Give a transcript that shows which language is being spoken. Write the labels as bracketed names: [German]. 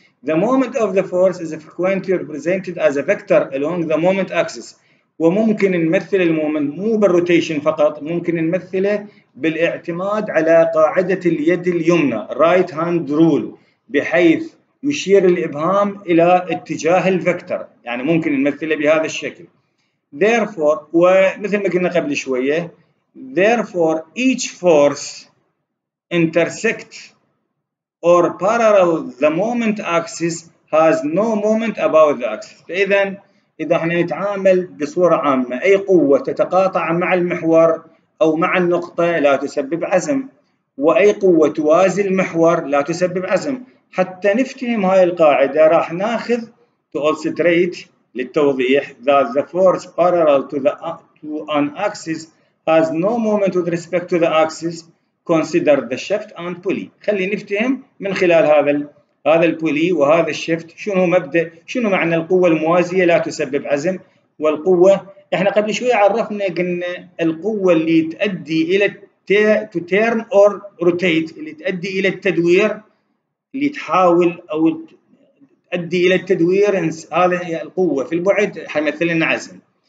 [English] The moment of the force is frequently represented as a vector along the moment axis، [Arabic] وممكن نمثل المومنت مو بالروتيشن فقط، ممكن نمثله بالاعتماد على قاعدة اليد اليمنى [English] right hand rule، [Arabic] بحيث يشير الإبهام إلى اتجاه الفكتر، يعني ممكن نمثله بهذا الشكل. [English] therefore [Arabic] ومثل ما قلنا قبل شوية [English] therefore each force intersect or parallel the moment axis has no moment about the axis. [Arabic] فإذن إذا احنا نتعامل بصورة عامة، أي قوة تتقاطع مع المحور أو مع النقطة لا تسبب عزم، وأي قوة توازي المحور لا تسبب عزم. حتى نفتهم هاي القاعدة راح ناخذ [English] to illustrate [Arabic] للتوضيح [English] that the force parallel to an axis has no moment with respect to the axis consider the shaft and pulley. [Arabic] خلي نفتهم من خلال هذا البولي وهذا الشفت شنو مبدأ، شنو معنى القوة الموازية لا تسبب عزم. والقوة احنا قبل شوية عرفنا قلنا القوة اللي تؤدي الى [English] to turn or rotate، [Arabic] اللي تؤدي الى التدوير، اللي تحاول او تؤدي الى التدوير، هذا هي القوة في البعد حيمثل لنا عزم.